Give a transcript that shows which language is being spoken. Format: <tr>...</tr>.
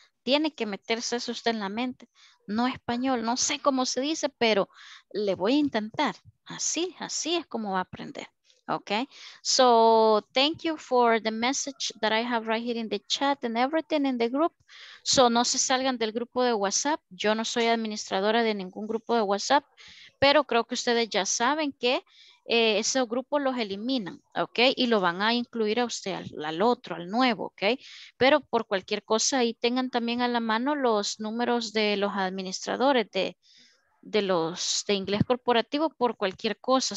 <es>Tiene que meterse eso usted en la mente. No español, no sé cómo se dice, pero le voy a intentar. Así, así es como va a aprender. Okay.</es> <en>So, thank you for the message that I have right here in the chat and everything in the group.</en> <es>So, no se salgan del grupo de WhatsApp. Yo no soy administradora de ningún grupo de WhatsApp, pero creo que ustedes ya saben que esos grupos los eliminan, ¿ok? Y lo van a incluir a usted, al otro, al nuevo, ¿ok? Pero por cualquier cosa, ahí tengan también a la mano los números de los administradores de los de inglés corporativo por cualquier cosa.</es>